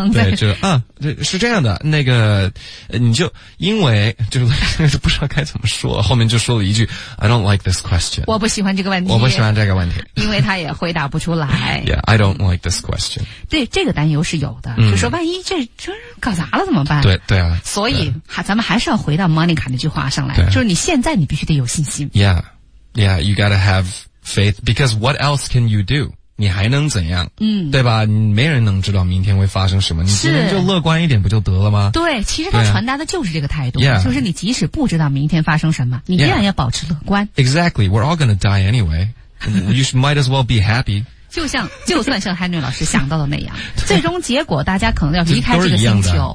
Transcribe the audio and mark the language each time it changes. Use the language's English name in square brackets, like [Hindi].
[Chinese] 对，就啊，是这样的。那个，你就因为就不知道该怎么说，后面就说了一句 [English] "I don't like this question." [Chinese] 我不喜欢这个问题。我不喜欢这个问题。因为他也回答不出来。 [English] Yeah, I don't like this question. [Chinese] 对，这个担忧是有的，就说万一这搞砸了怎么办？对对啊。所以，咱们还是要回到 Monica 那句话上来，就是你现在你必须得有信心。 [English] Yeah, yeah, you gotta have faith because what else can you do? [Chinese] 你还能怎样？对吧？没人能知道明天会发生什么，你今天就乐观一点不就得了吗？对，其实他传达的就是这个态度， [English] yeah. [Chinese] 就是你即使不知道明天发生什么，你依然要保持乐观。 [English] Yeah. Exactly, we're all gonna die anyway. You might as well be happy. [Chinese] 就算像 Henry 老师想到的那样，最终结果大家可能要离开这个星球，